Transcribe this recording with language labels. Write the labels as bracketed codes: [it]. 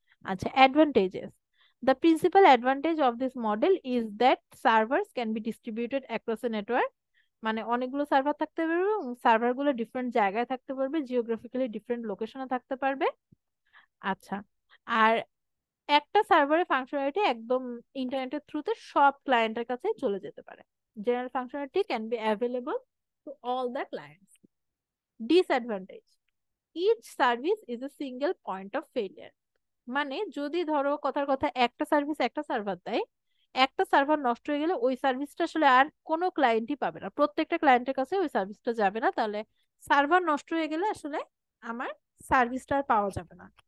[bn] আচ্ছা, [en] advantages, the principal advantage of this model is that servers can be distributed across a network, [bn] মানে অনেকগুলো server থাকতে পারবে, server গুলো ডিফারেন্ট জায়গায় থাকতে পারবে, জিওগ্রাফিক্যালি ডিফারেন্ট লোকেশনে থাকতে পারবে। আচ্ছা, আর একটা সার্ভারের ফাংশনালিটি একদম ইন্টারনেটের থ্রুতে সব ক্লায়েন্টের কাছে চলে যেতে পারে, [en] General functionality can be available to all the clients. Disadvantage, each service is a single point of failure. [bn] মানে যদি ধরো কথার কথা একটা সার্ভিস একটা সার্ভার দেয়, একটা সার্ভার নষ্ট হয়ে গেলে ওই সার্ভিসটা আসলে আর কোনো ক্লায়েন্টই পাবে না, প্রত্যেকটা ক্লায়েন্টের কাছে ওই সার্ভিসটা যাবে না, তাহলে সার্ভার নষ্ট হয়ে গেলে আসলে আমার সার্ভিসটা আর পাওয়া যাবে না।